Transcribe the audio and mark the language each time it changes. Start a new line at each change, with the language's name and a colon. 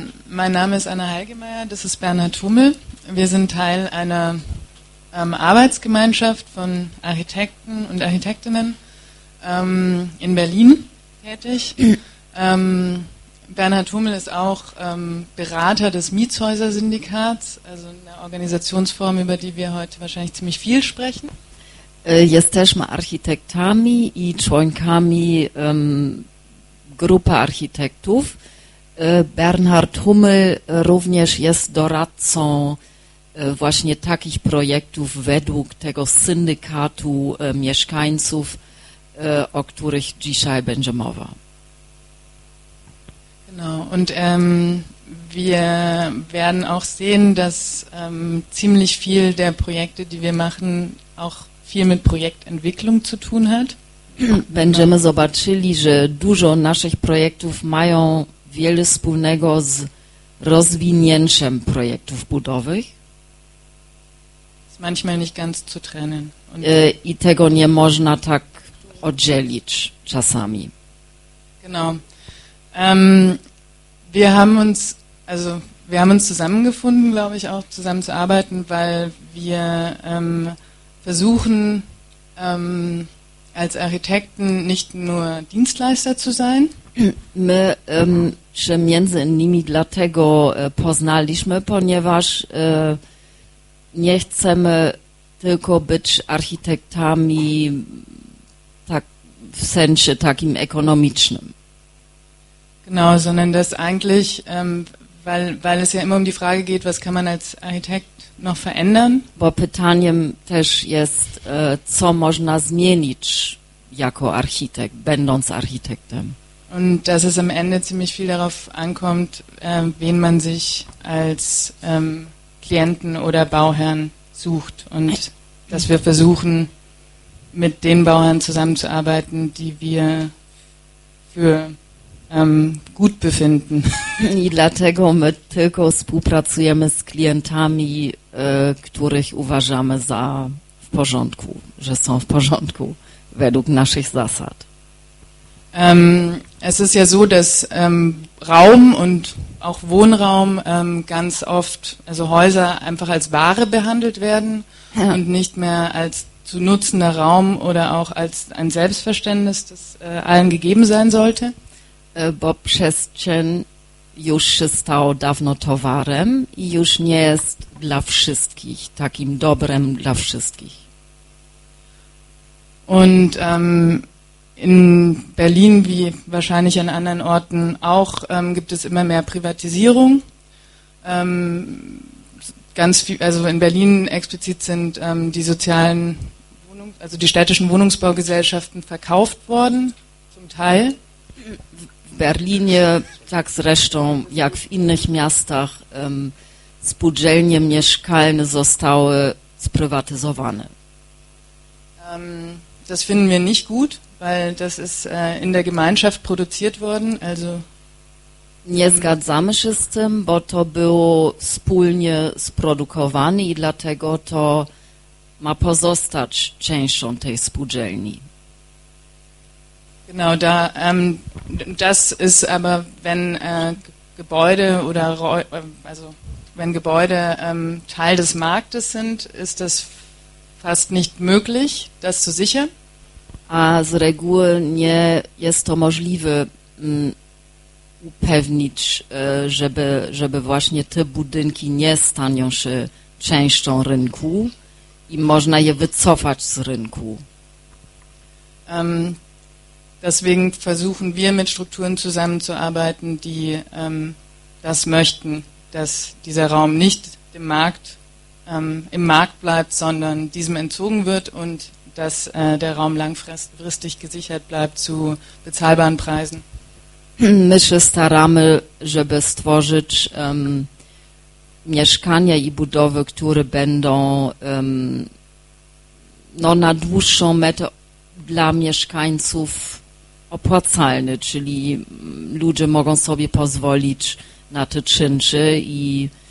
German: Mein Name ist Anna Heigemeier, das ist Bernhard Hummel. Wir sind Teil einer Arbeitsgemeinschaft von Architekten und Architektinnen in Berlin tätig. Bernhard Hummel ist auch Berater des Mietshäuser-Syndikats, also eine Organisationsform, über die wir heute wahrscheinlich ziemlich viel sprechen.
Polish: Jesteśmy architektami i członkami grupy architektów. Bernhard Hummel również jest doradcą właśnie takich projektów według tego syndykatu mieszkańców, o których dzisiaj będzie mowa.
German: Genau, und wir werden auch sehen, dass ziemlich viel der Projekte, die wir machen, auch viel mit Projektentwicklung zu tun hat.
Polish: Będziemy zobaczyli, że dużo naszych projektów mają wiele wspólnego z rozwinięciem projektów budowych.
German: Ist manchmal nicht ganz zu trennen.
Polish: Und i tego nie można tak oddzielić czasami.
German: Genau. Wir haben uns, also wir haben uns zusammengefunden, glaube ich, auch zusammenzuarbeiten, weil wir versuchen, als Architekten nicht nur Dienstleister zu sein.
Polish: My się między innymi dlatego poznaliśmy, ponieważ nie chcemy tylko być architektami tak, w sensie takim ekonomicznym.
German: Genau, sondern das eigentlich, weil es ja immer um die Frage geht, was kann man als Architekt noch verändern?
Polish: Bo pytaniem też jest, co można zmienić jako architekt, będąc architektem.
German: Und dass es am Ende ziemlich viel darauf ankommt, wen man sich als Klienten oder Bauherrn sucht. Und dass wir versuchen, mit den Bauherren zusammenzuarbeiten, die wir für gut befinden.
Polish: I dlatego my tylko współpracujemy z klientami, których uważamy za w porządku, że są w porządku według naszych zasad.
German: Es ist ja so, dass Raum und auch Wohnraum ganz oft, also Häuser einfach als Ware behandelt werden und nicht mehr als zu nutzender Raum oder auch als ein Selbstverständnis, das allen gegeben sein sollte.
Polish: Bo przestrzeń już się stało dawno towarem i już nie jest dla wszystkich, takim dobrem dla wszystkich.
German: Und in Berlin, wie wahrscheinlich an anderen Orten auch, gibt es immer mehr Privatisierung. Ganz viel, also in Berlin explizit sind die sozialen Wohnungs-, also die städtischen Wohnungsbaugesellschaften verkauft worden, zum Teil.
Polish: W Berlinie, tak zresztą jak w innych miastach, spółdzielnie mieszkalne zostały sprywatyzowane.
German: Das finden wir nicht gut, weil das ist in der Gemeinschaft produziert worden, also
Polish: nie zgadzamy się z tym, bo to było wspólnie sprodukowane i dlatego to ma pozostać częścią tej spółdzielni.
German: Genau, da das ist aber, wenn Gebäude oder also wenn Gebäude Teil des Marktes sind, ist das fast nicht möglich, das zu sichern.
Polish: A z reguły nie jest to możliwe upewnić, żeby właśnie te budynki nie stanią się częścią rynku i można je wycofać z rynku.
German: Deswegen versuchen wir mit Strukturen zusammenzuarbeiten, die das möchten, dass dieser Raum nicht dem Markt, im Markt bleibt, sondern diesem entzogen wird und dass der Raum langfristig gesichert bleibt zu bezahlbaren Preisen.
Polish: My się staramy, żeby stworzyć mieszkania i budowy, które będą no, na dłuższą metę dla mieszkańców opłacalny, czyli ludzie mogą sobie pozwolić na te czynsze i